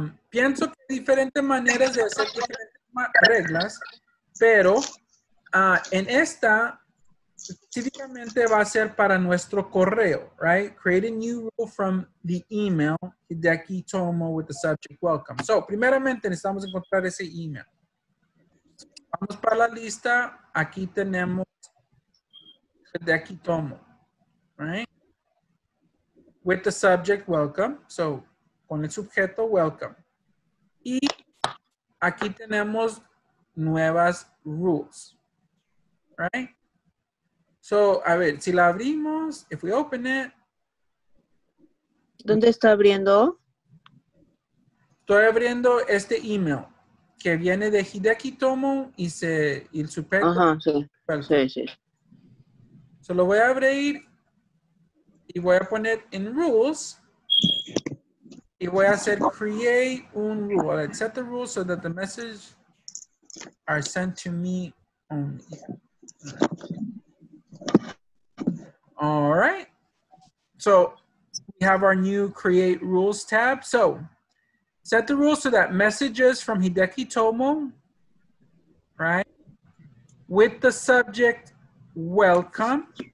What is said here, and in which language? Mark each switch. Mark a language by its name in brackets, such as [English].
[Spanish] Pienso que hay diferentes maneras de hacer diferentes reglas, pero en esta, específicamente va a ser para nuestro correo, right? [English] Create a new rule from the email, Hideki Tomo with the subject welcome. [Spanish] So, primeramente necesitamos encontrar ese email. Vamos para la lista. Aquí tenemos de aquí tomo. Right? [English] with the subject welcome. [Spanish] So, con el sujeto welcome. Y aquí tenemos nuevas rules. Right? So, a ver, si la abrimos, [English] if we open it. [Spanish] ¿Dónde está abriendo? Estoy abriendo este email que viene de Hideki Tomo y se y el sujeto. Ajá, sí. Sí, sí. So, lo voy a abrir y voy a poner in rules y voy a hacer create un rule. [English] Let's set the rules so that the message are sent to me only. All right. So we have our new create rules tab. So set the rules so that messages from Hideki Tomo, right, with the subject welcome.